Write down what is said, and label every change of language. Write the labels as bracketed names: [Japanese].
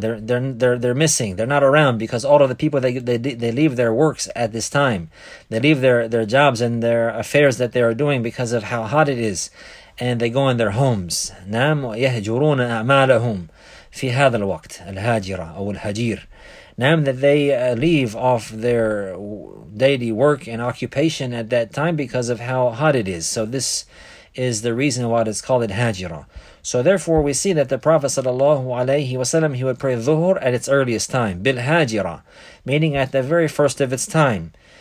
[English] They're missing. They're not around because all of the people they leave their works at this time. They leave their jobs and their affairs that they are doing because of how hot it is, and they go in their homes. [Arabic] نعم يهجرون أعمالهم في هذا الوقت الهاجرة أو الهجير. [English] Nam, that they leave off their daily work and occupation at that time because of how hot it is. So this is the reason why it's called Hajira. So therefore we see that the Prophet sallallahu alayhi wasallam, he would pray Dhuhr at its earliest time, Bil Hajira, meaning at the very first of its time.